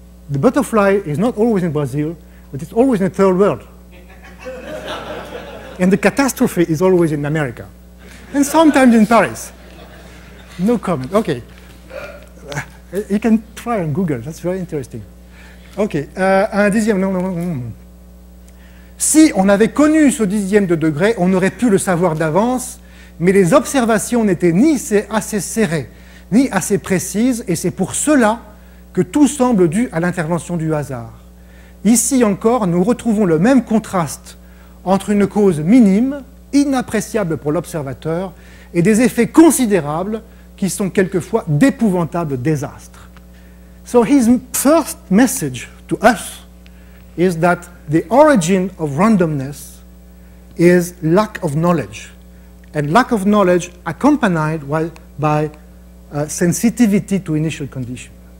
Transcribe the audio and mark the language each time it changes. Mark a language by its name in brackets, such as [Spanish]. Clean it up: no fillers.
[English] The butterfly is not always in Brazil, but it's always in the third world. And the catastrophe is always in America, and sometimes in Paris. No comment, okay. You can try on Google, that's very interesting. [French] Okay, un dixième, Si on avait connu ce dixième de degré, on aurait pu le savoir d'avance, mais les observations n'étaient ni assez serrées, ni assez précises, et c'est pour cela que tout semble dû à l'intervention du hasard. Ici encore, nous retrouvons le même contraste entre une cause minime, inappréciable pour l'observateur, et des effets considérables qui sont quelquefois d'épouvantables désastres. [English] So his first message to us is that the origin of randomness is lack of knowledge. And lack of knowledge accompanied by sensitivity to initial condition.